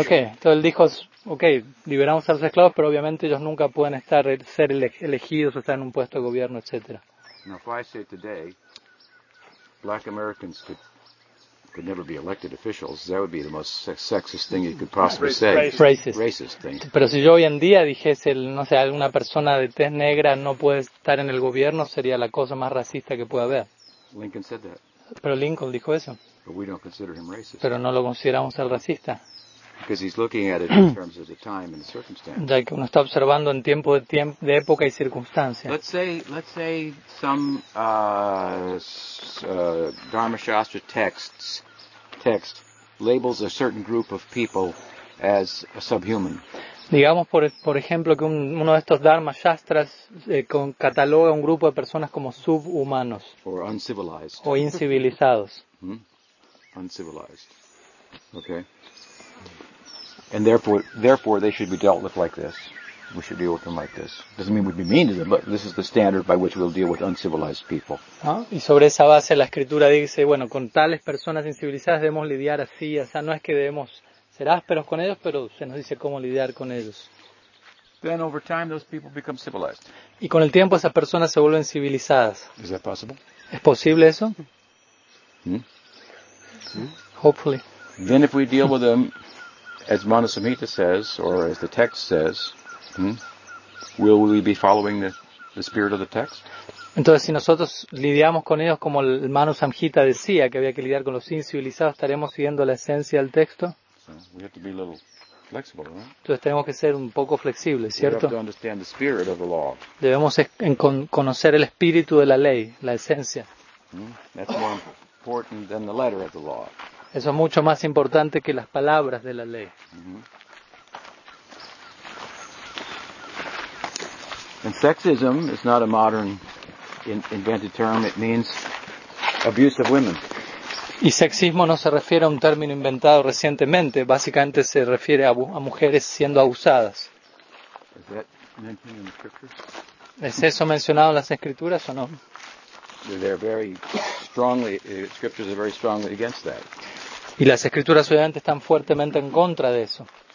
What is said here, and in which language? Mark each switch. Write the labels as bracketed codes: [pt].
[es] Okay, entonces él dijo, okay, liberamos a los esclavos, pero obviamente ellos nunca pueden ser elegidos o estar en un puesto de gobierno, etc. [en] Now, if I say today, black Americans could never be elected officials, that would be the most sexist thing you could possibly say. Racist thing. [es] Pero si yo hoy en día dijese, no sé, alguna persona de tez negra no puede estar en el gobierno, sería la cosa más racista que pueda haber. [en] Lincoln said that. [es] Pero Lincoln dijo eso. [en] But we don't consider him racist. [es] Pero no lo consideramos el racista. [en] Because he's looking at it in terms of the time and the circumstance. [es] Ya que uno está observando en tiempo de época y circunstancia. [en] Let's say some Dharmashastra text labels a certain group of people as a subhuman. [es] Digamos, por ejemplo, que uno de estos Dharma Shastras cataloga a un grupo de personas como subhumanos. [en] Or uncivilized. [es] O incivilizados. [en] Uncivilized. Okay. And therefore they should be dealt with like this. We should deal with them like this. Doesn't mean we'd be mean to them, but this is the standard by which we'll deal with uncivilized people. [es] Y sobre esa base la escritura dice, bueno, con tales personas incivilizadas debemos lidiar así, o sea, no es que debemos ser ásperos con ellos, pero se nos dice cómo lidiar con ellos. [en] Then over time those people become civilized. [es] Y con el tiempo esas personas se vuelven civilizadas. [en] Is that possible? [es] ¿Es posible eso? [en] Hopefully. Then if we deal with them, as Manusmita says, or as the text says, will we be following the spirit of the text? [es] Entonces, si nosotros lidiamos con ellos como el Manusmita decía, que había que lidiar con los incivilizados, ¿estaremos siguiendo la esencia del texto? [en] So we have to be a little flexible, right? [es] Entonces tenemos que ser un poco flexibles, ¿cierto? [en] We have to understand the spirit of the law. [es] Debemos conocer el espíritu de la ley, la esencia. [en] That's more important than the letter of the law. [es] Eso es mucho más importante que las palabras de la ley. [en] And sexism is not a modern invented term. It means abuse of women. [es] Y sexismo no se refiere a un término inventado recientemente, básicamente se refiere a mujeres siendo abusadas. [en] Is that mentioned in the scriptures? [es] ¿Es eso mencionado en las escrituras o no? [en] They're very strongly, scriptures are very strongly against that. [es] Y las escrituras obviamente están fuertemente en contra de eso.